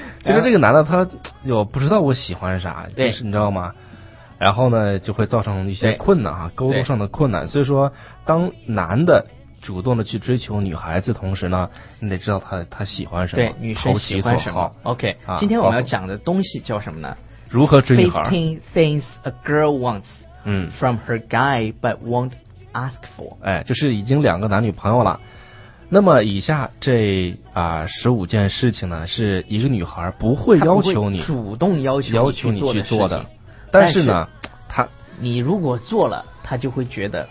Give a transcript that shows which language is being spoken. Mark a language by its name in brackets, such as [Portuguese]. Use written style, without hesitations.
[Chinese] 就是这个男的他有不知道我喜欢啥，就是你知道吗？然后呢，就会造成一些困难啊，沟通上的困难。所以说，当男的主动的去追求女孩子，同时呢，你得知道他喜欢什么，对，女生喜欢什么。OK，、啊、今天我们要讲的东西叫什么呢？如何追女孩 [English] 15 things a girl wants from her guy but won't ask for [Chinese] 哎，就是已经两个男女朋友了，那么以下这15件事情呢，是一个女孩不会要求你，主动要求你去做的，但是呢，她你如果做了，她就会觉得